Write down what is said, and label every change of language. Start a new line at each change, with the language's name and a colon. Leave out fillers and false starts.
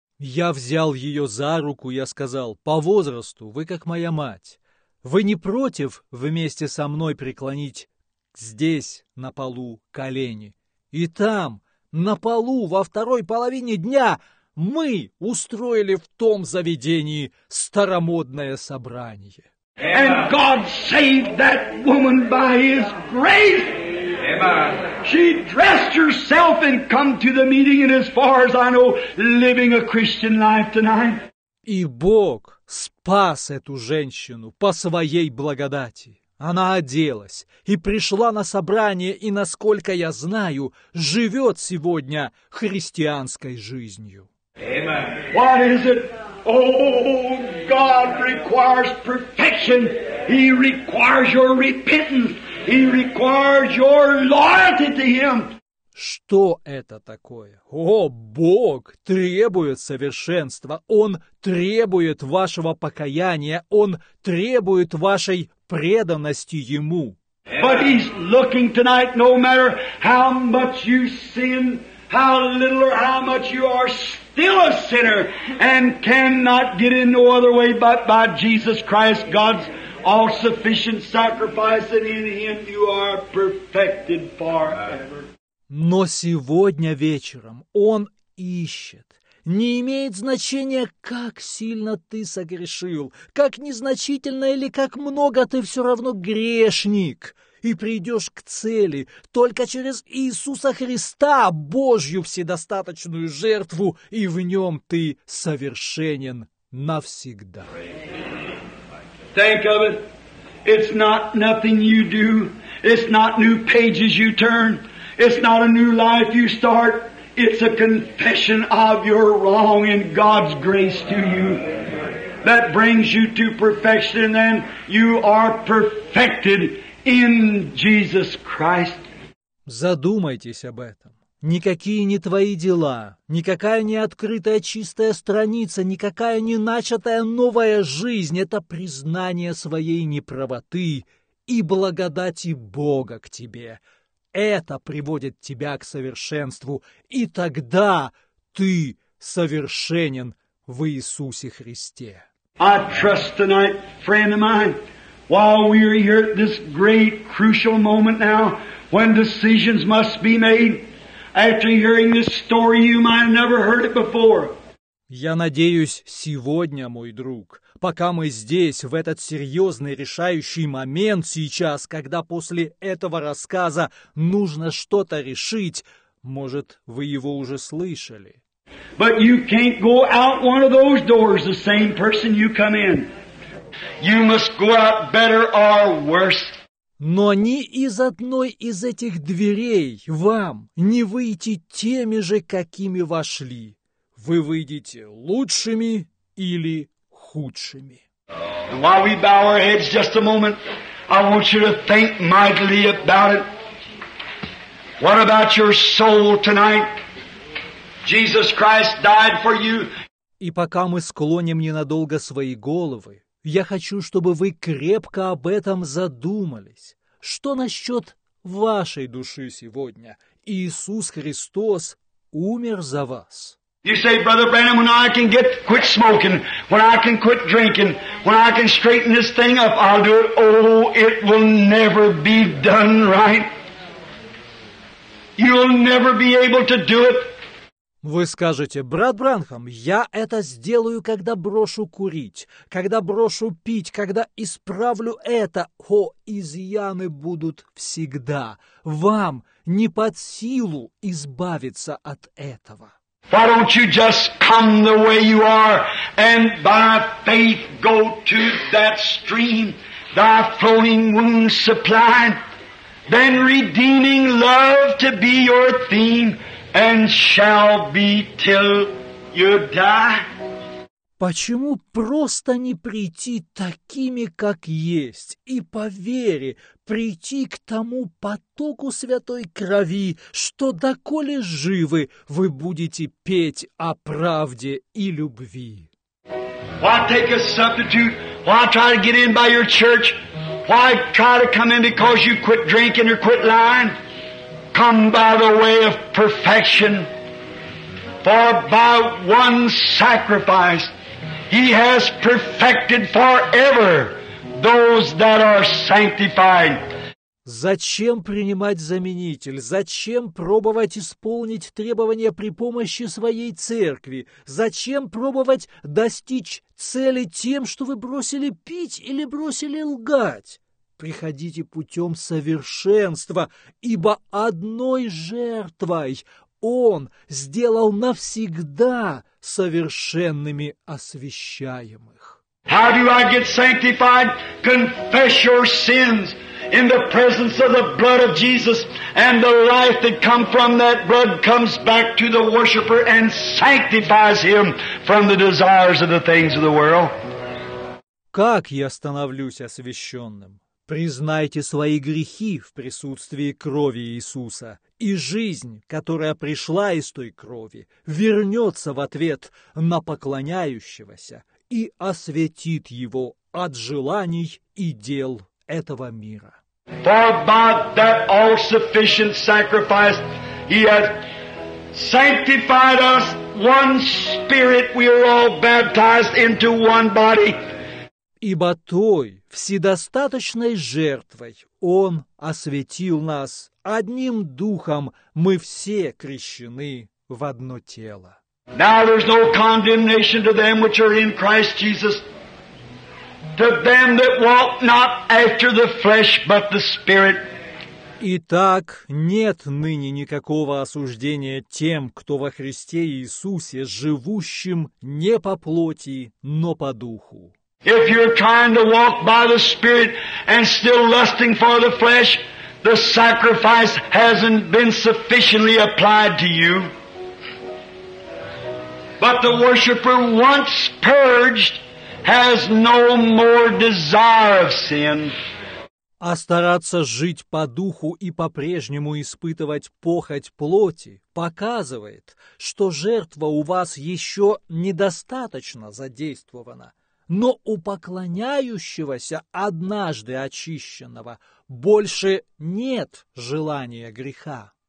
Russian: Я взял ее за руку, я сказал, «По возрасту, вы как моя мать. Вы не против вместе со мной преклонить здесь, на полу, колени? И там, на полу, во второй половине дня, мы устроили в том заведении старомодное собрание».
English: And God saved that woman by his grace. Amen. She dressed herself and come to the meeting, and as far as I know, living a Christian life tonight.
Russian: И Бог спас эту женщину по своей благодати. Она оделась и пришла на собрание, и, насколько я знаю, живет сегодня христианской жизнью.
English: Amen. What is it? Oh, God requires perfection. He requires your repentance. He requires your loyalty to Him.
Russian: Что это такое? О, Бог требует совершенства. Он требует вашего покаяния. Он требует вашей преданности Ему.
English: But He's looking tonight, no matter how much you sin, how little or how much you are still a sinner and cannot get in no other way but by Jesus Christ, God's all-sufficient sacrifice, and in Him you are perfected forever.
Russian: Но сегодня вечером Он ищет. Не имеет значения, как сильно ты согрешил, как незначительно или как много ты все равно грешник, и придешь к цели только через Иисуса Христа, Божью вседостаточную жертву, и в Нем ты совершенен навсегда.
English: Think of it. It's not nothing you do. It's not new pages you turn. It's not a new life you start. It's a confession of your wrong and God's grace to you that brings you to perfection, and then you are perfected in Jesus Christ.
Russian: Задумайтесь об этом. Никакие не твои дела, никакая не открытая чистая страница, никакая не начатая новая жизнь — это признание своей неправоты и благодати Бога к тебе. Это приводит тебя к совершенству, и тогда ты совершенен в Иисусе Христе.
English: I trust tonight, friend of mine, while we are here at this great crucial moment now, when decisions must be made, after hearing this story, you might have never heard it before.
Russian: Я надеюсь, сегодня, мой друг, пока мы здесь, в этот серьезный решающий момент сейчас, когда после этого рассказа нужно что-то решить, может, вы его уже слышали.
English: But you can't go out one of those doors the same person you come in. You must go out better or worse.
Russian: Но ни из одной из этих дверей вам не выйти теми же, какими вошли. Вы выйдете лучшими или худшими.
English: And while we bow our heads just a moment, I want you to think mightily about it. What about your soul tonight? Jesus Christ died for you.
Russian: И пока мы склоним ненадолго свои головы, я хочу, чтобы вы крепко об этом задумались. Что насчет вашей души сегодня? Иисус Христос умер за вас.
English: You say, Brother Branham, when I can get quit smoking, when I can quit drinking, when I can straighten this thing up, I'll do it. Oh, it will never be done right. You'll never be able to do it.
Russian: Вы скажете, брат Бранхам, я это сделаю, когда брошу курить, когда брошу пить, когда исправлю это. О, изъяны будут всегда. Вам не под силу избавиться от этого.
English: Why don't you just come the way you are and by faith go to that stream, thy flowing wounds supplied, then redeeming love to be your theme and shall be till you die?
Russian: Почему просто не прийти такими, как есть, и по вере прийти к тому потоку святой крови, что доколе живы, вы будете петь о правде и любви?
English: Why take a substitute? Why try to get in by your church? Why try to come in because you quit drinking or quit lying? Come by the way of perfection. For by one sacrifice He has perfected forever those that are sanctified.
Russian: Зачем принимать заменитель? Зачем пробовать исполнить требования при помощи своей церкви? Зачем пробовать достичь цели тем, что вы бросили пить или бросили лгать? Приходите путем совершенства, ибо одной жертвой Он сделал навсегда совершенными освящаемых.
English: How do I get sanctified? Confess your sins. in the presence of the blood of Jesus, and the life that come from that blood comes back to the worshiper and sanctifies him from the desires of the things of the world.
Russian: Как я становлюсь освященным? Признайте свои грехи в присутствии крови Иисуса, и жизнь, которая пришла из той крови, вернется в ответ на поклоняющегося и осветит его от желаний и дел этого мира.
English: For by that all-sufficient sacrifice he has sanctified us, one spirit we are all baptized into one body.
Russian: Ибо той вседостаточной жертвой Он осветил нас, одним Духом мы все крещены в одно тело.
English: Now there's no condemnation to them which are in Christ Jesus, to them that walk not after the flesh, but the Spirit.
Russian: Итак, нет ныне никакого осуждения тем, кто во Христе Иисусе, живущим не по плоти, но по Духу.
English: If you're trying to walk by the Spirit and still lusting for the flesh, the sacrifice hasn't been sufficiently applied to you. But the worshiper, once purged, has no more desire of sin.
Russian: А стараться жить по духу и по-прежнему испытывать похоть плоти показывает, что жертва у вас еще недостаточно задействована. Но у поклоняющегося, однажды очищенного, больше нет желания греха.